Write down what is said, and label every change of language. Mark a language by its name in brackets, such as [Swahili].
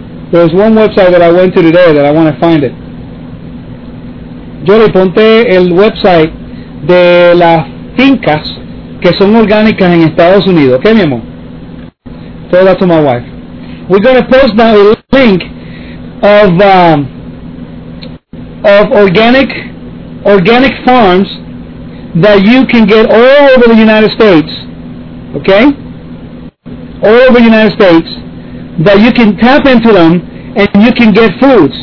[English] There's one website that I went to today that I want to find it. [Spanish] Jolie, ponte el website de las fincas que son orgánicas en Estados Unidos. [English] Okay, [Spanish] mi amor? [English] Throw that to my wife. We're going to post now a link of organic farms that you can get all over the United States, okay? All over the United States, that you can tap into them and you can get foods.